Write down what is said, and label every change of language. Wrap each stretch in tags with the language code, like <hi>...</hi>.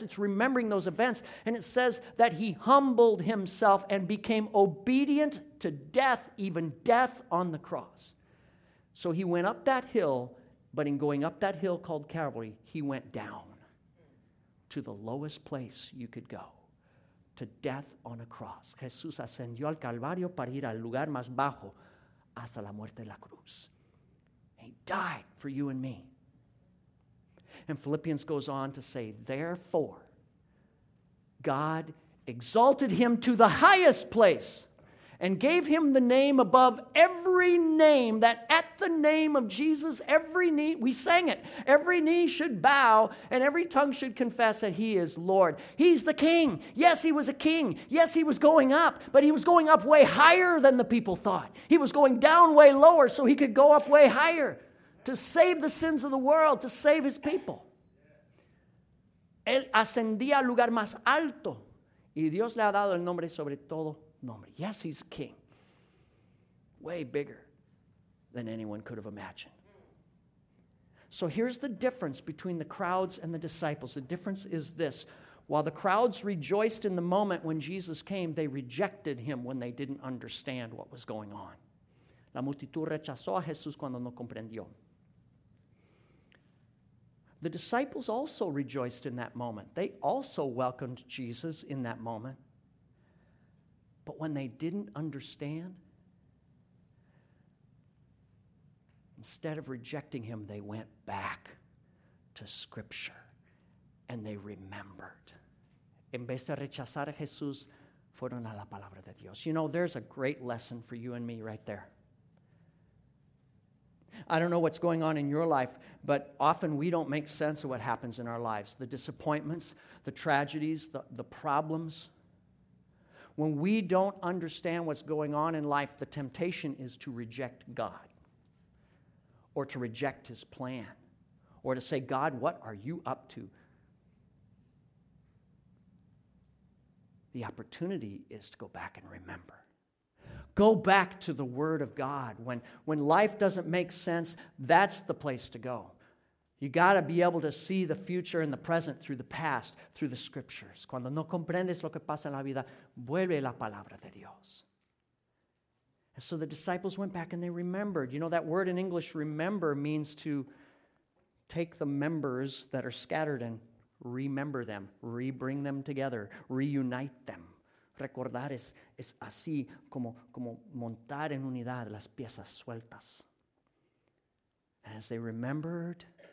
<en>It's remembering those events. And it says that he humbled himself and became obedient to death, even death on the cross. So he went up that hill. But in going up that hill called Calvary, he went down to the lowest place you could go, to death on a cross.</en> <es>Jesús ascendió al Calvario para ir al lugar más bajo, hasta la muerte de la cruz.</es> <en>He died for you and me. And Philippians goes on to say, "Therefore, God exalted him to the highest place and gave him the name above every name, that at the name of Jesus, every knee," we sang it, "every knee should bow and every tongue should confess that he is Lord." He's the king. Yes, he was a king. Yes, he was going up, but he was going up way higher than the people thought. He was going down way lower so he could go up way higher to save the sins of the world, to save his people.</en> <es>Él ascendía al lugar más alto y Dios le ha dado el nombre sobre todo.</es> <en>Yes, he's king. Way bigger than anyone could have imagined. So here's the difference between the crowds and the disciples. The difference is this. While the crowds rejoiced in the moment when Jesus came, they rejected him when they didn't understand what was going on.</en> <es>La multitud rechazó a Jesús cuando no comprendió.</es> <en>The disciples also rejoiced in that moment. They also welcomed Jesus in that moment. But when they didn't understand, instead of rejecting him, they went back to Scripture and they remembered.</en> <es>En vez de rechazar a Jesús, fueron a la palabra de Dios.</es> <en>You know, there's a great lesson for you and me right there. I don't know what's going on in your life, but often we don't make sense of what happens in our lives. The disappointments, the tragedies, the problems. When we don't understand what's going on in life, the temptation is to reject God or to reject his plan or to say, "God, what are you up to?" The opportunity is to go back and remember. Go back to the Word of God. When life doesn't make sense, that's the place to go. You got to be able to see the future and the present through the past, through the Scriptures.</en> <es>Cuando no comprendes lo que pasa en la vida, vuelve la palabra de Dios.</es> <en>And so the disciples went back and they remembered. You know, that word in English, remember, means to take the members that are scattered and remember them, rebring them together, reunite them.</en> <es>Recordar es así como montar en unidad las piezas sueltas.</es> <en>And as they remembered,</en>